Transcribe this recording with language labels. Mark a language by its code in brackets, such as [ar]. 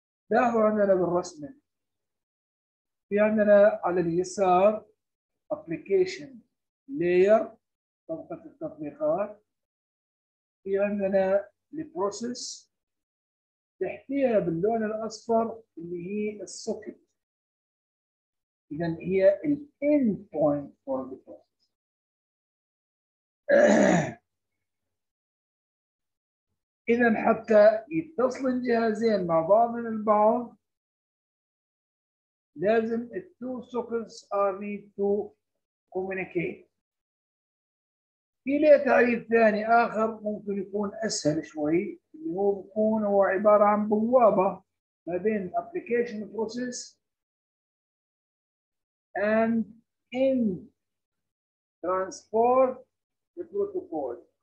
[ar] لاحظوا عندنا بالرسمة في عندنا على اليسار ابلكيشن لاير طبقة التطبيقات، في عندنا البروسيس تحتيها باللون الأصفر اللي هي السوكت. إذا هي [en] الـ endpoint for the process. [ar] إذا حتى يتصل الجهازين مع بعض البعض لازم الـ [en] two sockets are need to communicate. [ar] في له تعريف ثاني آخر ممكن يكون أسهل شوي، اللي هو بيكون هو عبارة عن بوابة ما بين [en] application process and in transport protocol.